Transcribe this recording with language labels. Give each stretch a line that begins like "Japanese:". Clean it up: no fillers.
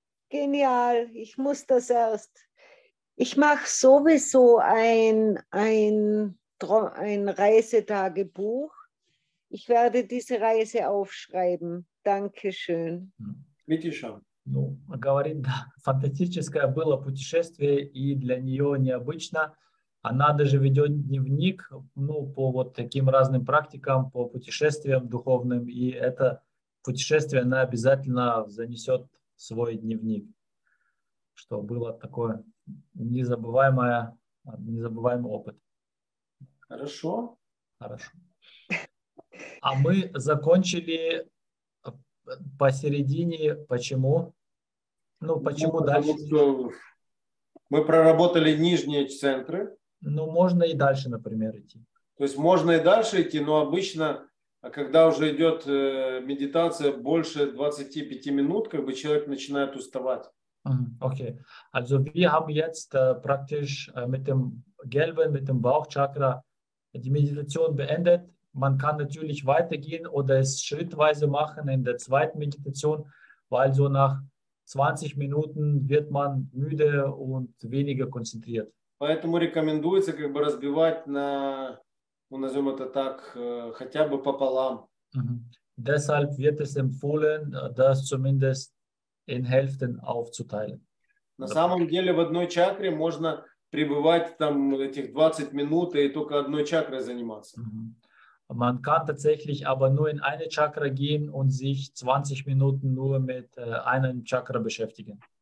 German: Genial, ich muss das erst. Ich mache sowieso ein Reisetagebuch. Ich werde diese Reise aufschreiben. Dankeschön. Bitte schön.
Russian: Ну, говорит, да, фантастическое было путешествие и для нее необычно. Она даже ведет дневник, ну, по вот таким разным практикам, по путешествиям духовным, и это путешествие она обязательно занесет в свой дневник. Что было такое незабываемый опыт. Хорошо. Хорошо. А мы закончили посередине. Почему? Ну, почему дальше? Потому что мы проработали нижние центры. Ну, можно и дальше, например, идти. То есть можно и дальше идти, но обычно, когда уже идет медитация больше 25 минут, как бы человек начинает уставать.
German: Okay, also wir haben jetzt praktisch mit dem gelben, mit dem Bauchchakra die Meditation beendet. Man kann natürlich weitergehen oder es schrittweise machen in der zweiten Meditation, weil so nach 20 Minuten wird man müde und weniger konzentriert.
Russian: Поэтому рекомендуется как бы разбивать на, ну, назовем это так, хотя бы пополам.
German: Deshalb wird es empfohlen, dass zumindest in Hälften aufzuteilen.
Russian: На самом деле в одной чакре можно пребывать там этих 20 минут и только одной чакрой заниматься.
German: Man kann tatsächlich aber nur in eine Chakra gehen und sich 20 Minuten nur mit einem Chakra beschäftigen.